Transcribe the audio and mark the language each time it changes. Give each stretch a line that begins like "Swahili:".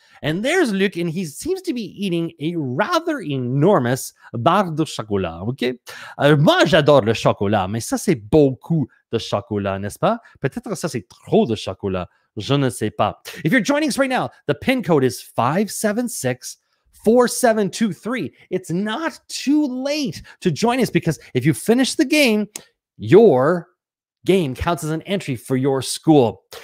English: And there's Luc, and he seems to be eating a rather enormous bar
French: de chocolat,
English: OK?
French: Moi, j'adore le chocolat, mais ça, c'est beaucoup de chocolat, n'est-ce pas? Peut-être ça, c'est trop de chocolat. Je ne sais pas.
English: If you're joining us right now, the pin code is 5764723. It's not too late to join us because if you finish the game, your game counts as an entry for your school.